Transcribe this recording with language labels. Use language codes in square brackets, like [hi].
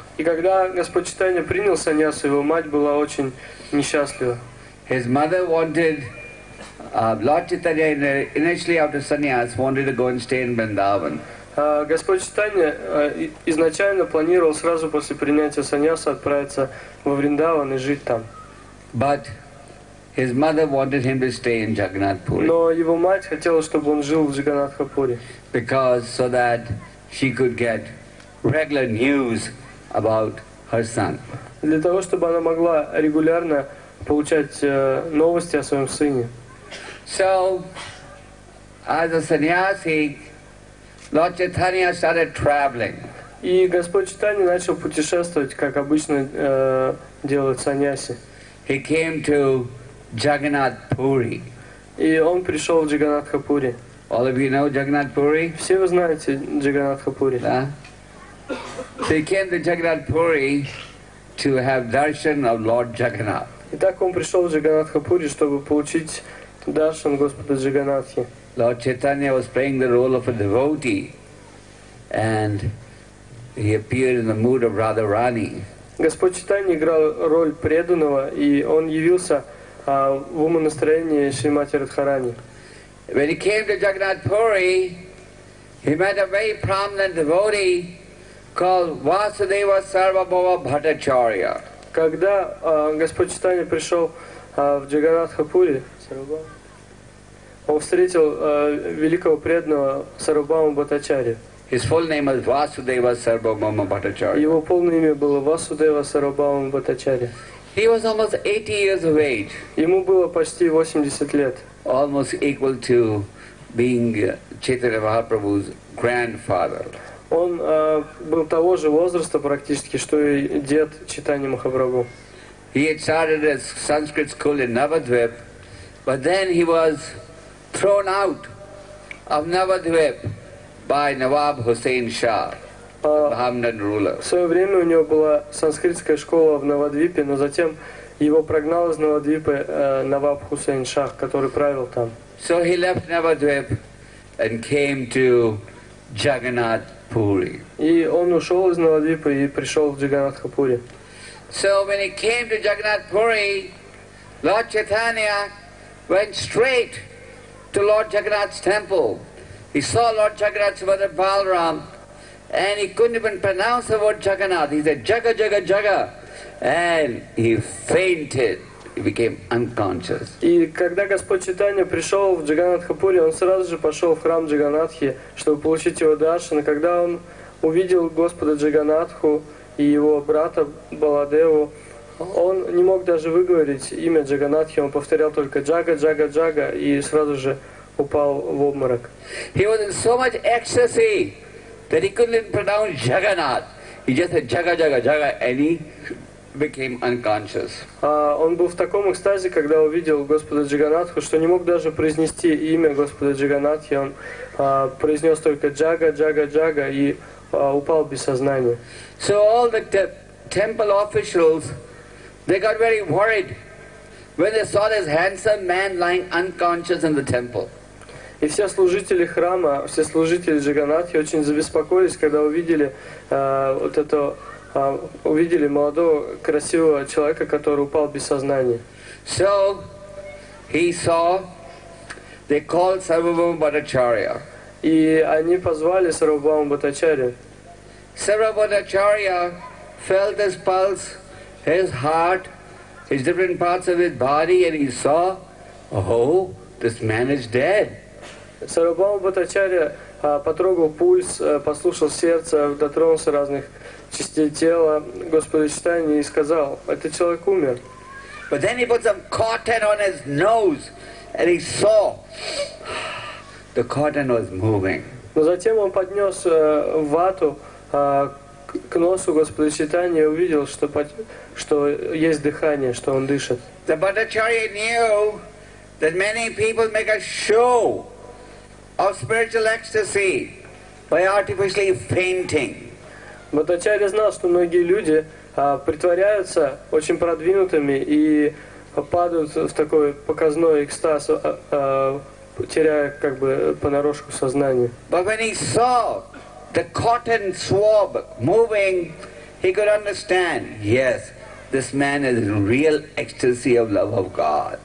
[ru] И когда Господь Чайтанья принял саньясу, его мать была очень несчастлива. [en] His mother wanted Lord Chaitanya initially after sannyas wanted to go and stay in Vrindavan. [ru] Господь Чайтанья изначально планировал сразу после принятия саньясу отправиться во Вриндаван и жить там. [en] But his mother wanted him to stay in Jagannath Puri. [ru] Но его мать хотела, чтобы он жил в Джагнатхапуре. [en] Because so that she could get regular news about her son. [ru] Для того, чтобы она могла регулярно получать новости о своем сыне. [en] So, as a sannyasi, Lord Chaitanya started traveling. [ru] И Господь Чайтанья начал путешествовать, как обычно делают саньяси. [en] He came to Jagannath Puri. [ru] И он пришел в Джагнатхапури. [en] All of you know Jagannath Puri? [ru] Все вы знаете Джагнатхапури. Да? [en] So he came to Jagannath Puri to have darshan of Lord Jagannath. [ru] Итак, он пришел в Джагнатхапури, чтобы получить даршан Господа Джаганатхи. [en] Lord Chaitanya was playing the role of a devotee and he appeared in the mood of Radharani. [ru] Господь Чайтанья играл роль преданного и он явился в умонастроении Шримати Радхарани. [en] When he came to Jagannath Puri, he met a very prominent devotee called Vasudeva Sarvabhava Bhattacharya. [ru] Когда Господь Чайтанья пришел в Джагнатхапури, он встретил великого преданного Сарвабхаума Бхаттачарью. [en] His full name was Vasudeva Sarvabhauma Bhattacharya. [ru] Его полное имя было Васудева Сарвабхаума Бхаттачарья. [en] He was almost 80 years of age. [ru] Ему было почти 80 лет. [en] Almost equal to being Chaitanya Mahaprabhu's grandfather. [ru] Он был того же возраста практически, что и дед Чайтанья Махапрабху. [en] He had started a Sanskrit school in Navadvip, but then he was thrown out of Navadvip by Nawab Hussain Shah, the Brahmin ruler. [ru] В свое время у него была санскритская школа в Навадвипе, но затем его прогнал из Навадвипа Наваб Хусейн Шах, который правил там. [en] So he left Navadvip and came to Jagannath Puri. [ru] И он ушел из Навадвипа и пришел в Джагнатхапури. [en] So when he came to Jagannath Puri, Lord Chaitanya went straight to Lord Jagannath's temple. He saw Lord Jagannath's brother Balaram, and he couldn't even pronounce the word Jagannath. He said, Jaga, Jaga, Jaga. And he fainted. He became unconscious. [ru] И когда Господь Читания пришел в Джаганатхапури, он сразу же пошел в храм Джаганатхи, чтобы получить его даршан. Когда он увидел Господа Джаганатху и его брата Баладеву, он не мог даже выговорить имя Джаганатхи, он повторял только Джага, Джага, Джага, и сразу же упал в обморок. [en] He was in so much ecstasy that he couldn't pronounce Jagannath. He just said Jaga, Jaga, Jaga, and he became unconscious. [ru] Он был в таком экстазе, когда увидел Господа Джаганатху, что не мог даже произнести имя Господа Джаганатхи, он произнес только Джага, Джага, Джага, и упал без сознания. [en] So all the temple officials, they got very worried when they saw this handsome man lying unconscious in the temple. [ru] И все служители храма, все служители Джаганатхи очень забеспокоились, когда увидели вот это, увидели молодого красивого человека, который упал без сознания. [en] So he saw, they called Sarvabhauma Bhattacharya. [ru] И они позвали Сарвабхаума Бхаттачарья. [en] Sarvabhauma Bhattacharya felt his pulse, his heart, his different parts of his body, and he saw, oh, this man is dead. [ru] Сарвабхаума Бхаттачарья потрогал пульс, послушал сердце, дотронулся разных частей тела Господа Читания и сказал, этот человек умер. [en] But then he put some cotton on his nose, and he saw the cotton was moving. [ru] Но затем он поднес вату к носу Господа Читания и увидел, что есть дыхание, что он дышит. [en] The Bhattacharya knew that many people make a show of spiritual ecstasy by artificially fainting. [ru] Бхаттачарья знал, что многие люди притворяются очень продвинутыми и падают в такой показной экстаз, теряя как бы понарошку сознание. [en] But when he saw the cotton swab moving, he could understand, yes, this man is in real ecstasy of love of God.